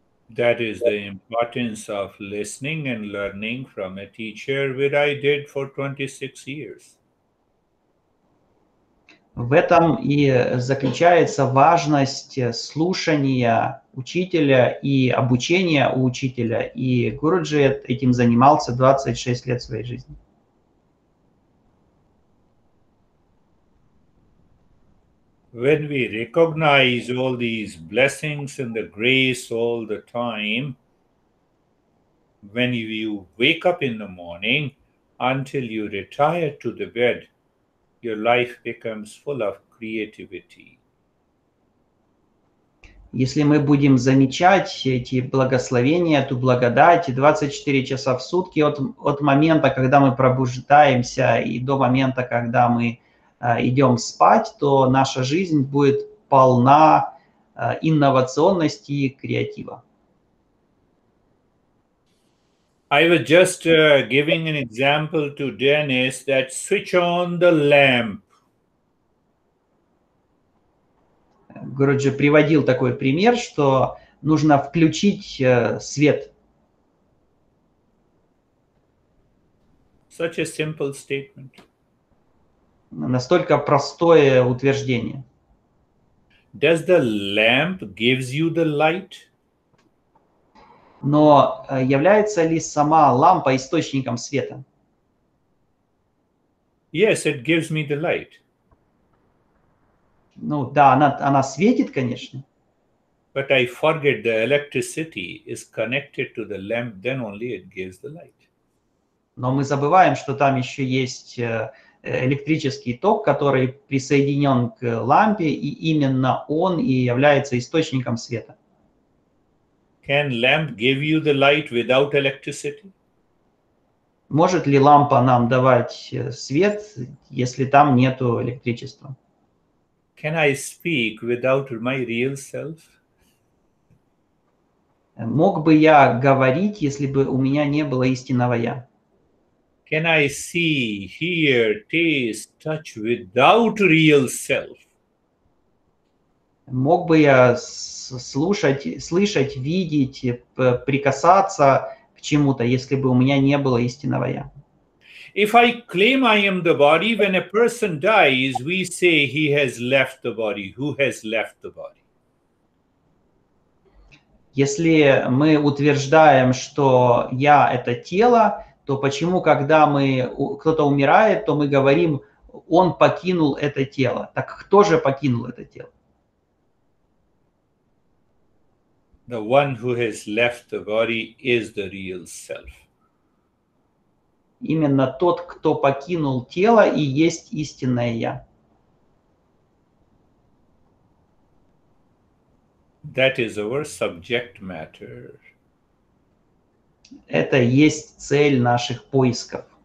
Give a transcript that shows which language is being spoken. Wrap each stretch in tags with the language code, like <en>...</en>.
<en>That is the importance of listening and learning from a teacher, which I did for 26 years.</en> <ru>В этом и заключается важность слушания учителя и обучения у учителя. И Гуруджи этим занимался 26 лет своей жизни.</ru> <en>When we recognize all these blessings and the grace all the time, when you wake up in the morning, until you retire to the bed, your life becomes full of creativity.</en> <ru>Если мы будем замечать эти благословения, эту благодать 24 часа в сутки от момента, когда мы пробуждаемся и до момента, когда мы идем спать, то наша жизнь будет полна инновационности и креатива.</ru> <en>I was just giving an example to Dennis that switch on the lamp.</en> <ru>Гуруджи приводил такой пример, что нужно включить свет.</ru> <en>Such a simple statement.</en> <ru>Настолько простое утверждение.</ru> <en>Does the lamp gives you the light?</en> <ru>Но является ли сама лампа источником света?</ru> <en>Yes, it gives me the light.</en> <ru>Ну да, она светит, конечно.</ru> <en>But I forget the electricity is connected to the lamp, then only it gives the light.</en> <ru>Но мы забываем, что там еще есть электрический ток, который присоединен к лампе, и именно он и является источником света.</ru> <en>Can lamp give you the light without electricity?</en> <ru>Может ли лампа нам давать свет, если там нету электричества?</ru> <en>Can I speak without my real self?</en> <ru>Мог бы я говорить, если бы у меня не было истинного я?</ru> <en>Can I see, hear, taste, touch without real self?</en> <ru>Мог бы я слышать, видеть, прикасаться к чему-то, если бы у меня не было истинного я?</ru> <en>If I claim I am the body, when a person dies, we say he has left the body. Who has left the body?</en> <ru>Если мы утверждаем, что я – это тело, то почему, когда кто-то умирает, то мы говорим, он покинул это тело. Так кто же покинул это тело?</ru> <en>The one who has left the body is the real self.</en> <ru>Именно тот, кто покинул тело, и есть истинное я.</ru> <en>That is our subject matter.</en> <ru>Это есть цель наших поисков.</ru>